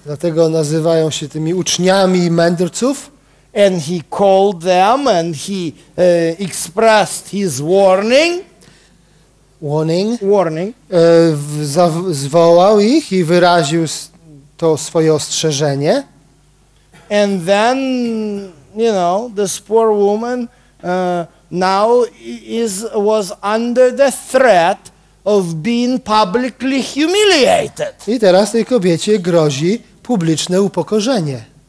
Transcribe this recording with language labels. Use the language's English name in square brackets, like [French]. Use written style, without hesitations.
[Polish] Dlatego nazywają się tymi uczniami mędrców. [English] And he called them and he expressed his warning. Warning. Warning. [Polish] Zwołał ich i wyraził to swoje ostrzeżenie. [English] And then, you know, this poor woman now was under the threat of being publicly humiliated. [Polish] I teraz tej kobiecie grozi publiczne upokorzenie.